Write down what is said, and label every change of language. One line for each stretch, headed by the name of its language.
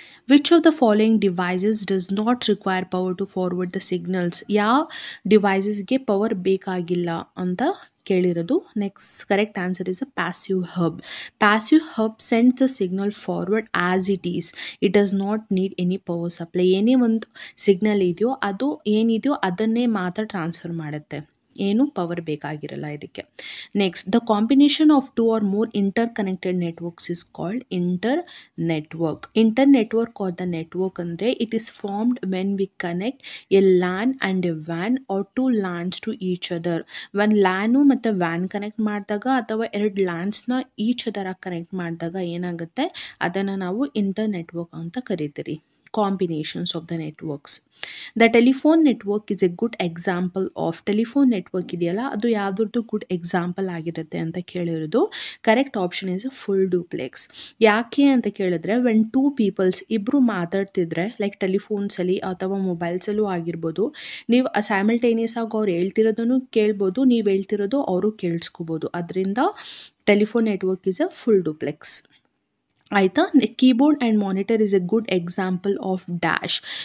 English: Which of the following devices does not require power to forward the signals?
Kannada: ಯಾವ ಡಿವೈಸಸ್ಗೆ power ಬೇಕಾಗಿಲ್ಲ ಅಂತ ಕೇಳಿರೋದು.
English: Next correct answer is a passive hub. Passive hub sends the signal forward as it is, it does not need any power supply.
Kannada: ಏನೇ ಒಂದು signal ಇದೆಯೋ ಅದು ಏನಿದೆಯೋ ಅದನ್ನೇ ಮಾತ್ರ ಟ್ರಾನ್ಸ್ಫರ್ ಮಾಡುತ್ತೆ, ಏನು ಪವರ್ ಬೇಕಾಗಿರಲ್ಲ ಇದಕ್ಕೆ.
English: Next, the combination of two or more interconnected networks is called internetwork. Internetwork of the network
Kannada: ಅಂದರೆ
English: It is formed when we connect A LAN and A van R to lance to each other.
Kannada: One ಲ್ಯಾನು ಮತ್ತು van connect ಮಾಡಿದಾಗ ಅಥವಾ ಎರಡು ಲ್ಯಾನ್ಸ್ನ
English: each other
Kannada: ಆಗಿ connect ಮಾಡಿದಾಗ ಏನಾಗುತ್ತೆ ಅದನ್ನು ನಾವು ಇಂಟರ್ ನೆಟ್ವರ್ಕ್ ಅಂತ ಕರಿತೀರಿ.
English: Combinations of the networks. The telephone network is a good example of, telephone network
Kannada: ಇದೆಯಲ್ಲ ಅದು ಯಾವುದ್ರದ್ದು
English: good example
Kannada: ಆಗಿರುತ್ತೆ ಅಂತ ಕೇಳಿರೋದು.
English: Correct option is full duplex.
Kannada: ಯಾಕೆ ಅಂತ ಕೇಳಿದ್ರೆ,
English: when two peoples
Kannada: ಇಬ್ಬರು ಮಾತಾಡ್ತಿದ್ರೆ ಲೈಕ್ ಟೆಲಿಫೋನ್ಸಲ್ಲಿ ಅಥವಾ ಮೊಬೈಲ್ಸಲ್ಲೂ ಆಗಿರ್ಬೋದು, ನೀವು ಸ್ಯಾಮಿಲ್ಟೇನಿಯಸ್ ಆಗಿ ಅವ್ರು ಹೇಳ್ತಿರೋದನ್ನು ಕೇಳ್ಬೋದು, ನೀವು ಹೇಳ್ತಿರೋದು ಅವರು ಕೇಳಿಸ್ಕೋಬೋದು. ಅದರಿಂದ
English: Telephone network is a full duplex.
Kannada: ಆಯಿತಾ,
English: Keyboard and monitor is a good example of dash.